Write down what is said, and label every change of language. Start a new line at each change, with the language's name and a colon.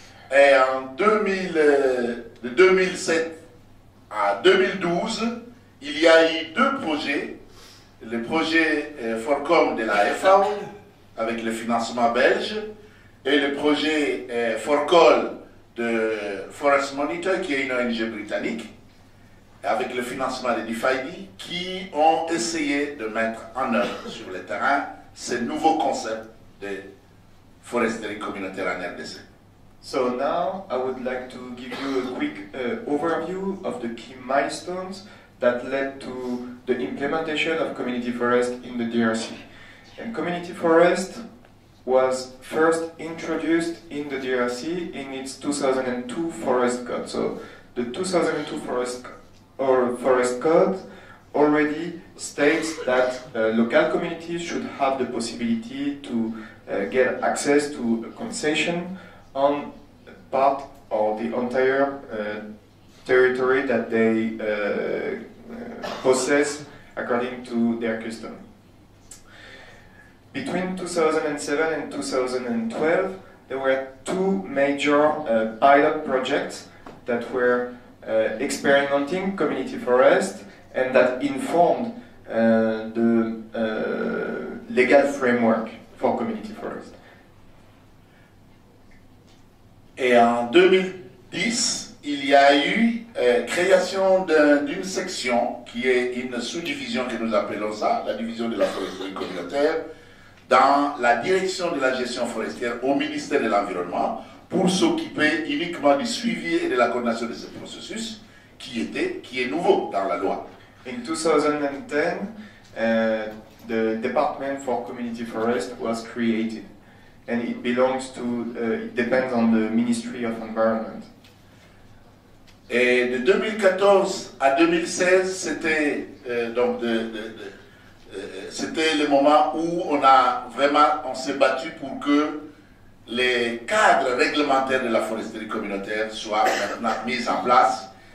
French: Et en de 2007 à 2012, il y a eu deux projets, le projet Forcom de la FAO avec le financement belge et le projet Forcol de Forest Monitor, qui est une ONG britannique, avec le financement de DeFi, qui ont essayé de mettre en œuvre sur le terrain ce nouveau concept de foresterie communautaire en RDC.
English: So now I would like to give you a quick overview of the key milestones that led to the implementation of community forest in the DRC. And community forest was first introduced in the DRC in its 2002 forest code. So the 2002 forest code already states that local communities should have the possibility to get access to a concession on part or the entire territory that they possess according to their custom. Between 2007 and 2012, there were two major pilot projects that were experimenting community forest and that informed the legal framework for community forest.
French: Et en 2010, il y a eu création d'une section qui est une sous-division que nous appelons ça, la division de la foresterie communautaire, dans la direction de la gestion forestière au ministère de l'Environnement pour s'occuper uniquement du suivi et de la coordination de ce processus qui est nouveau dans la loi.
English: In 2010, the Department for Community Forest was created and it belongs to it depends on the Ministry of Environment.
French: Et de 2014 à 2016, c'était le moment où on s'est battu pour que les cadres réglementaires de la foresterie communautaire soient maintenant mis en place.